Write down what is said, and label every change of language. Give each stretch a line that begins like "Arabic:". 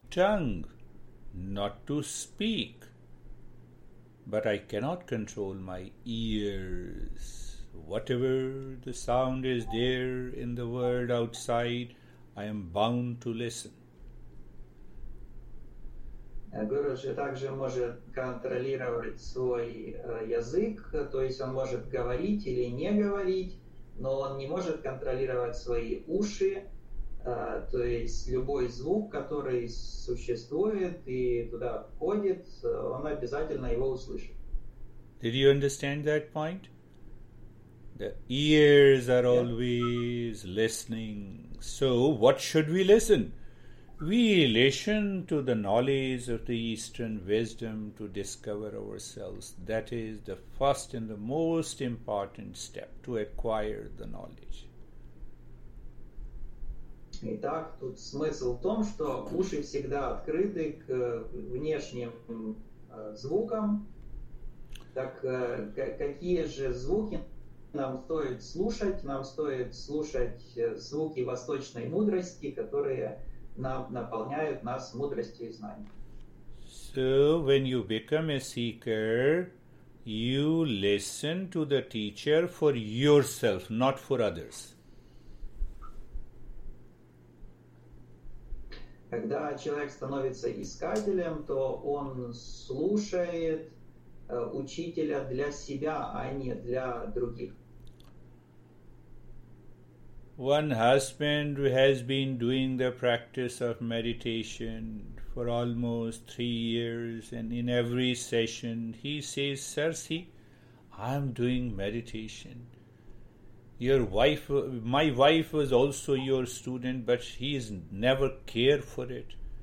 English: Tongue, not to speak, but I cannot control my ears. Whatever the sound is there in the world outside, I am bound to listen.
Russian: Гуруджи также может контролировать свой язык, то есть он может говорить или не говорить, но он не может контролировать свои уши. То есть любой звук, который существует и туда входит, он обязательно его услышит.
English: Did you understand that point? The ears are always listening. So what should we listen? We listen to the knowledge of the Eastern wisdom to discover ourselves. That is the first and the most important step to acquire the knowledge.
Russian: Итак, тут смысл в том, что уши всегда открыты к внешним звукам. Так какие же звуки Нам стоит слушать, звуки восточной мудрости, которые наполняют нас мудростью и знанием.
English: So when you become a seeker, you listen to the teacher for yourself, not for others.
Russian: Когда человек становится искателем, то он слушает учителя для себя, а не для других.
English: One husband has been doing the practice of meditation for almost 3 years, and in every session he says, "Sir, see, I'm doing meditation. My wife was also your student, but she is never cared for it.